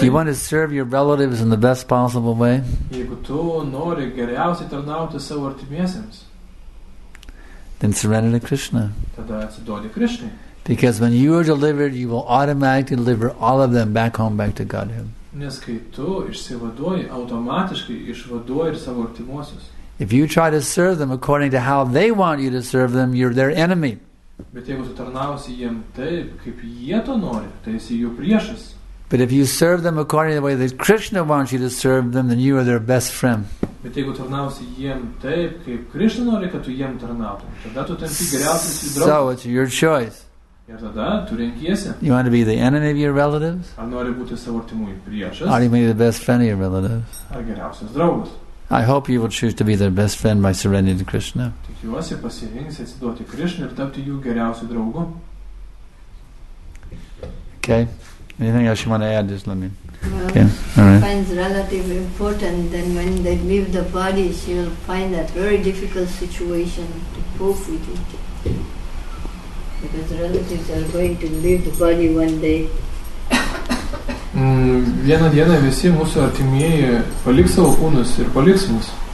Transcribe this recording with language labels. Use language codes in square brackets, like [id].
[en] Do you want to serve your relatives in the best possible way? [lt] Jeigu tu nori geriausiai tarnauti savo artimiesiems, [en] then surrender to Krishna. [lt] Tada atsiduodi Krishnai. [en] Because when you are delivered, you will automatically deliver all of them back home, back to Godhead. [lt] Nes kai tu išsivaduoji, automatiškai išvaduoji ir savo artimuosius. [en] If you try to serve them according to how they want you to serve them, you're their enemy. [lt] Bet jeigu tarnausi jiem taip, kaip jie to nori, tai esi jų priešas. [en] But if you serve them according to the way that Krishna wants you to serve them, then you are their best friend. [lt] Bet jeigu tarnausi jiem taip, kaip Krishna nori, kad tu jiem tarnautum, tada tu tampi geriausias jų draugas. [en] So it's your choice. [lt] Ir tada tu renkiesi. [en] You want to be the enemy of your relatives? [lt] Ar nori būti savo artimųjų priešas? [en] Or you may be the best friend of your relatives? [lt] Ar geriausias draugas? [en] I hope you will choose to be their best friend by surrendering to Krishna. [lt] Tikiuosi pasirinksi atsiduoti Krishna ir tapti jų geriausiu draugu. [en] Okay. Anything else you want to add? Just let me. Well, okay. All right. Finds relative important. Then when they leave the body, she will find that very difficult situation to cope with it. Because relatives are going to leave the body one day. [lt] Vieną dieną visi mūsų artimieji paliks savo kūnus ir paliks mus.